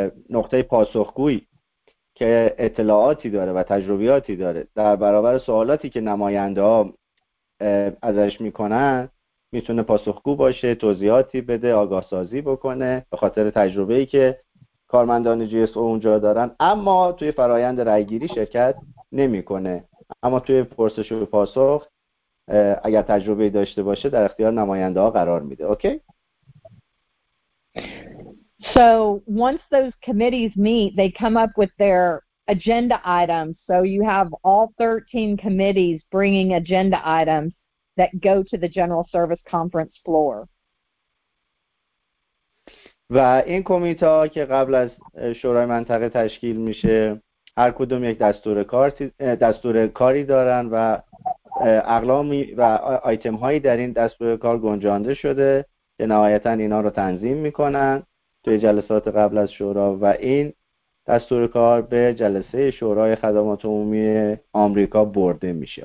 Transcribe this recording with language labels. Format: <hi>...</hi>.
<fa>نقطه پاسخگویی که اطلاعاتی داره و تجربیاتی داره در برابر سوالاتی که نماینده ها ازش میکنن میتونه پاسخگو باشه، توضیحاتی بده، آگاه سازی بکنه به خاطر تجربه‌ای که کارمندان جی اس او اونجا دارن، اما توی فرایند رای گیری شرکت نمیکنه، اما توی پرسش و پاسخ اگر تجربه داشته باشه در اختیار نماینده ها قرار میده. اوکی؟</fa> <en>So once those committees meet, they come up with their agenda items. So you have all 13 committees bringing agenda items that go to the General Service Conference floor.</en> <fa>و این کمیته ها که قبل از شورای منطقه تشکیل میشه، هر کدوم یک دستور کاری دارن و اقلامی و آیتم هایی در این دستور کار گنجانده شده که نهایتا اینا رو تنظیم میکنن توی جلسات قبل از شورا و این دستور کار به جلسه شورای خدمات عمومی آمریکا برده میشه.</fa>